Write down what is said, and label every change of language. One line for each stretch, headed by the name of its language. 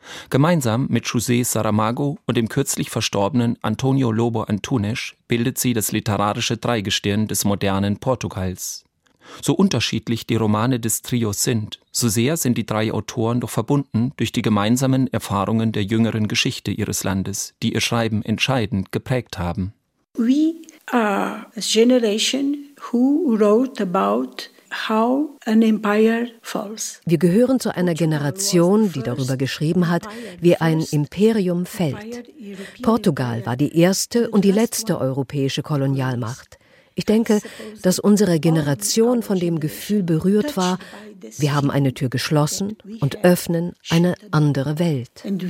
German: Gemeinsam mit José Saramago und dem kürzlich verstorbenen António Lobo Antunes bildet sie das literarische Dreigestirn des modernen Portugals. So unterschiedlich die Romane des Trios sind, so sehr sind die 3 Autoren doch verbunden durch die gemeinsamen Erfahrungen der jüngeren Geschichte ihres Landes, die ihr Schreiben entscheidend geprägt haben.
English: We are a generation who wrote about how an empire falls.
German: Wir gehören zu einer Generation, die darüber geschrieben hat, wie ein Imperium fällt. Portugal war die erste und die letzte europäische Kolonialmacht. Ich denke, dass unsere Generation von dem Gefühl berührt war, wir haben eine Tür geschlossen und öffnen eine andere Welt.